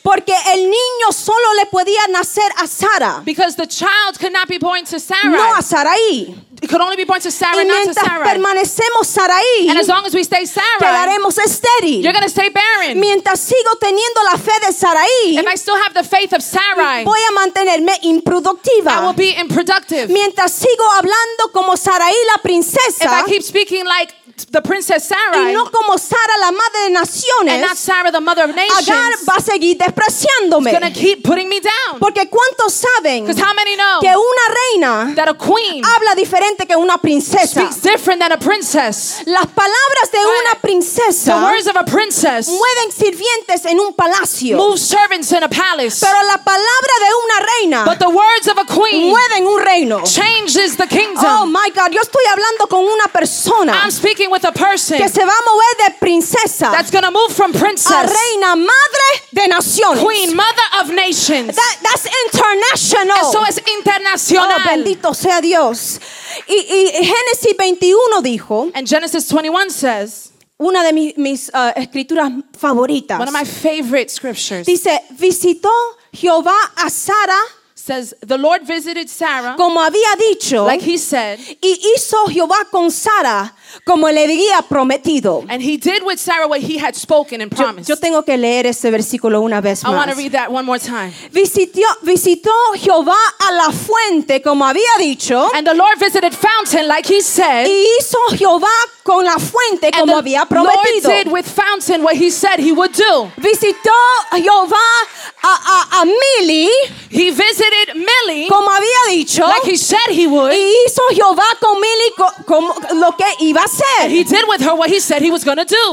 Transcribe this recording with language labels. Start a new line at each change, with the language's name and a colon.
Spanish: Porque el niño solo le podía nacer a Sarah.
English: Because the child could not be born to Sarah.
Spanish: No a Sarai.
English: It could only be born to Sarah,
Spanish: y
English: not to Sarah.
Spanish: Permanecemos Sarai,
English: and as long as we stay Sarah,
Spanish: quedaremos estéril.
English: You're going to stay barren.
Spanish: Mientras sigo teniendo la fe de Sarai,
English: if I still have the faith of Sarai,
Spanish: voy a mantenerme improductiva.
English: I will be improductive.
Spanish: Mientras sigo hablando como Sarai, la princesa,
English: if I keep speaking like the princess Sarah,
Spanish: y no como Sara, la madre de naciones,
English: and not Sarah, the mother of nations,
Spanish: Agar va a seguir despreciándome.
English: He's going to keep putting me down.
Spanish: Porque ¿cuántos saben,
English: because how many know,
Spanish: que una reina,
English: that a queen,
Spanish: habla diferente que una princesa,
English: speaks different than a princess.
Spanish: Las palabras de una princesa,
English: the words of a princess,
Spanish: mueven sirvientes en un palacio,
English: move servants in a palace.
Spanish: Pero la palabra de una reina,
English: but the words of a queen,
Spanish: mueven un reino,
English: changes the kingdom. Oh my God,
Spanish: yo estoy hablando con una persona,
English: I'm speaking with a person
Spanish: que se va a mover de princesa,
English: that's going to move from princess,
Spanish: a reina, madre de naciones,
English: queen, mother of nations. That's international.
Spanish: Eso es internacional. Oh, bendito sea Dios. Y Génesis 21 dijo,
English: and Genesis 21 says,
Spanish: una de mis escrituras favoritas,
English: one of my favorite scriptures,
Spanish: dice, visitó Jehová a Sara,
English: says the Lord visited Sarah,
Spanish: como había dicho,
English: like he said,
Spanish: y hizo Jehová con Sara como le había prometido.
English: And he did with Sarah what he had spoken and promised.
Spanish: Yo tengo que leer ese versículo una vez más.
English: I want to read that one more time.
Spanish: Visitó Jehová a la fuente como había dicho,
English: and the Lord visited fountain like he said,
Spanish: y hizo Jehová con la fuente como había prometido.
English: And the Lord did with fountain what he said he would do.
Spanish: Visitó Jehová a Millie,
English: he visited Millie
Spanish: como había dicho,
English: like he said he would,
Spanish: y hizo Jehová con Millie como lo que iba a ser.
English: And he did with her what he said he was going to do.